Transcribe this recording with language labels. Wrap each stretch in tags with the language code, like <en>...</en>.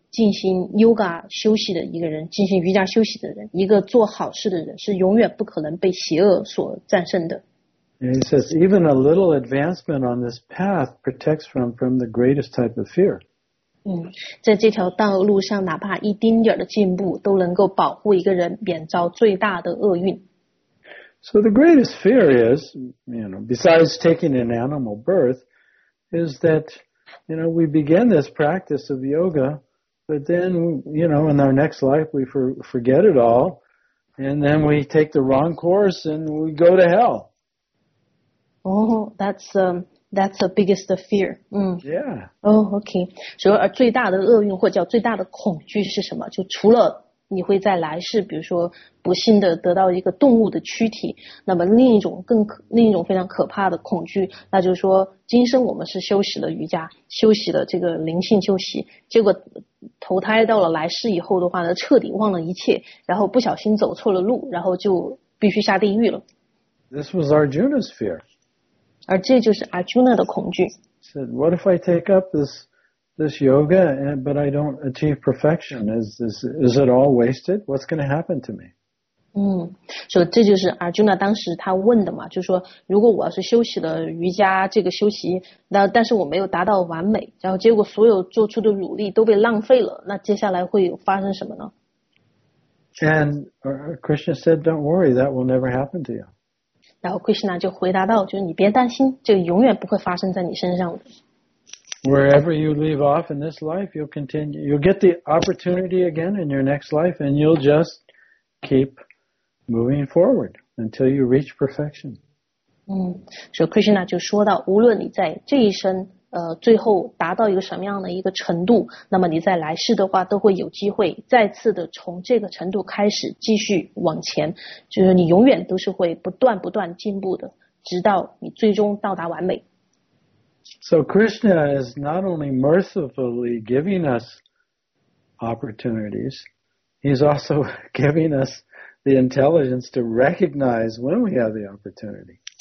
<zh>进行 yoga 休息的一个人，进行瑜伽休息的人，一个做好事的人，是永远不可能被邪恶所战胜的。</zh> <en>And he says, even a little advancement on this path protects from the greatest type of fear.</en> <zh>在这条道路上，哪怕一丁点的进步，都能够保护一个人免遭最大的厄运。</zh> <en>So the greatest fear is, you know, besides taking an animal birth, is that, you know, we begin this practice of yoga. But then, you know, in our next life, we forget it all, and then we take the wrong course, and we go to hell. Oh, that's the biggest fear. Yeah. Oh, okay. So,</en> <zh>而最大的厄运或叫最大的恐惧是什么？就除了你会在来世，比如说不幸的得到一个动物的躯体，那么另一种非常可怕的恐惧，那就是说，今生我们是休息了瑜伽，休息了这个灵性休息，结果。投胎到了来世以后的话呢，彻底忘了一切，然后不小心走错了路，然后就必须下地狱了。</zh> <en>This was Arjuna's fear.</en> <zh>而这就是 Arjuna 的恐惧。</zh> <en>He said, "What if I take up this yoga, but I don't achieve perfection? Is it all wasted? What's going to happen to me?"</en> <zh>所以这就是 Arjuna 当时他问的嘛，就是说如果我要是修习了瑜伽这个修习，那但是我没有达到完美，然后结果所有做出的努力都被浪费了，那接下来会发生什么呢？</zh> <en>And Krishna said, don't worry, that will never happen to you.</en> <zh>然后 Krishna 就回答到，就是你别担心，这个永远不会发生在你身上的。</zh> <en>Wherever you leave off in this life, you'll continue. You'll get the opportunity again in your next life, and you'll just keep moving forward until you reach perfection.</en> <zh>所以 Krishna 就说到，无论你在这一生，最后达到一个什么样的一个程度，那么你在来世的话，都会有机会再次的从这个程度开始继续往前，就是你永远都是会不断进步的，直到你最终到达完美。</zh> <en>So Krishna is not only mercifully giving us opportunities, he's also giving us the intelligence to recognize when we have the opportunity.</en>